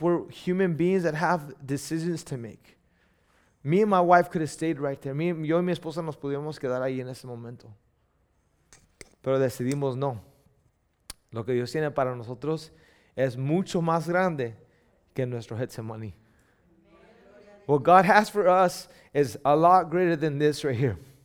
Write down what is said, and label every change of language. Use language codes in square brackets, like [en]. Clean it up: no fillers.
[en] We're human beings that have decisions to make. Me and my wife could have stayed right there. [es] Yo y mi esposa nos pudimos quedar ahí en ese momento. Pero decidimos no. Lo que Dios tiene para nosotros es mucho más grande que nuestro Getsemaní. [en] What God has for us is a lot greater than this right here.